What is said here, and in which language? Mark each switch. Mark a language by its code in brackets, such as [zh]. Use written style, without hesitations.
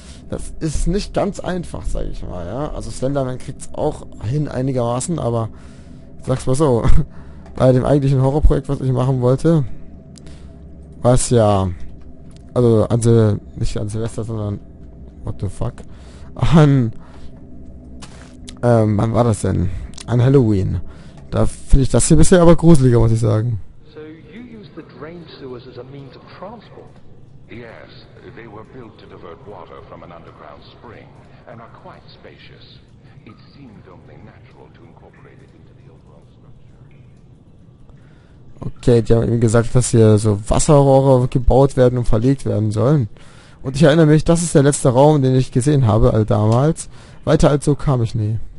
[de] Das ist nicht ganz einfach, sage ich mal, ja. Also Slenderman kriegt's auch hin einigermaßen, aber sag's mal so, bei dem eigentlichen Horrorprojekt, was ich machen wollte, was ja, also an Sil nicht an Silvester, sondern [en] what the fuck, [de] an wann war das denn? An Halloween. Da finde ich das hier bisher aber gruseliger, muss ich sagen. [en] The drain sewers as a means of transport. Yes, they were built to divert water from an underground spring and are quite spacious. It seemed only natural to incorporate it into the overall structure. [de] Okay, die haben eben gesagt, dass hier so Wasserrohre gebaut werden und verlegt werden sollen. Und ich erinnere mich, das ist der letzte Raum, den ich gesehen habe, all damals. Weiter als so kam ich nie.